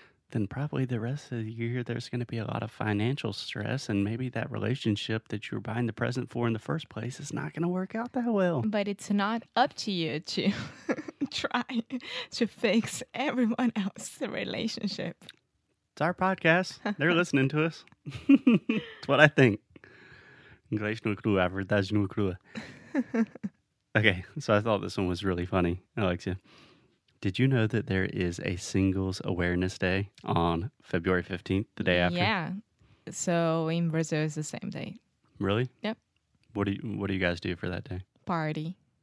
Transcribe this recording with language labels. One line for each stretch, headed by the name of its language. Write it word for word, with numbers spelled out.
English: then probably the rest of the year there's going to be a lot of financial stress, and maybe that relationship that you were buying the present for in the first place is not going to work out that well. But it's not up to you to try to fix everyone else's relationship. It's our podcast. They're listening to us. It's what I think.
Portuguese: Inglês não é crua, a verdade não é crua.
English: Okay, so I thought this one was really funny, Alexia. Did you know that there is a Singles Awareness Day on February fifteenth, the day after? Yeah. So in Brazil, it's the same day. Really? Yep. What do you, what do you guys do for that day? Party.